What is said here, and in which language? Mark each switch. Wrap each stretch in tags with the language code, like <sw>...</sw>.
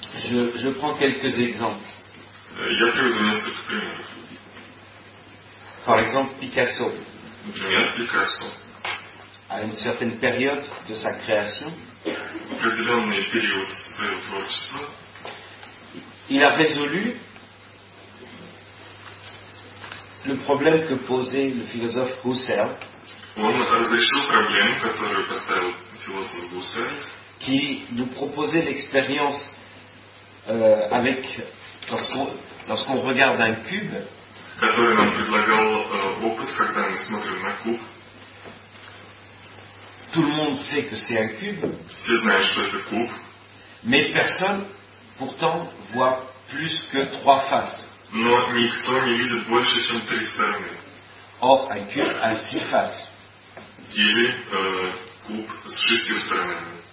<fr>Je prends quelques exemples.</fr> <ru>Я приведу несколько примеров.</ru> <fr>Par exemple, Picasso.</fr> <ru>Например, Picasso.</ru> <fr>À une certaine période de sa création,</fr> <ru>в определенный период своего творчества,</ru> <fr>il a résolu le problème que posait le philosophe Husserl.</fr> <ru>Он разрешил проблему, которую поставил философ Гуссерль,</ru> <fr>qui nous proposait l'expérience avec lorsqu'on regarde un cube,</fr> <ru>который нам предлагал опыт, когда мы смотрим на куб.</ru> <fr>Tout le monde sait que c'est un cube.</fr> <ru>Все знают, что это куб.</ru> <fr>Mais personne, pourtant, voit plus que trois faces.</fr> <ru>Но никто не видит больше, чем три стороны.</ru> <fr>Or, un cube a six faces.</fr> <ru>Или куб с шестью сторонами.</ru>